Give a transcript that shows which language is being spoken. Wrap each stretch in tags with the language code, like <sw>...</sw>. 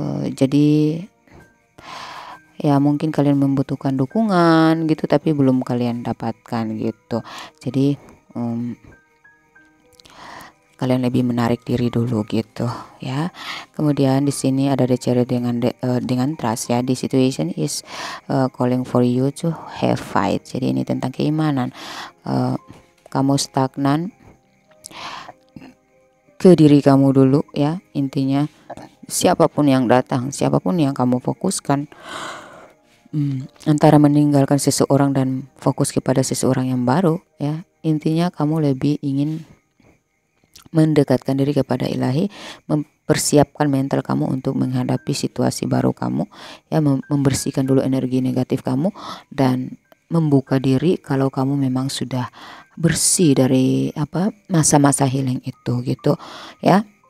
<id>Jadi ya mungkin kalian membutuhkan dukungan gitu, tapi belum kalian dapatkan gitu. Jadi kalian lebih menarik diri dulu gitu ya. Kemudian di sini ada cerita dengan trust ya.</id> <en>The situation is calling for you to have fight.</en> <id>Jadi ini tentang keimanan. Kamu stagnan ke diri kamu dulu ya. Intinya siapapun yang datang, siapapun yang kamu fokuskan, antara meninggalkan seseorang dan fokus kepada seseorang yang baru ya, intinya kamu lebih ingin mendekatkan diri kepada Ilahi, mempersiapkan mental kamu untuk menghadapi situasi baru kamu ya, membersihkan dulu energi negatif kamu dan membuka diri kalau kamu memang sudah bersih dari apa masa-masa healing itu gitu ya.</id>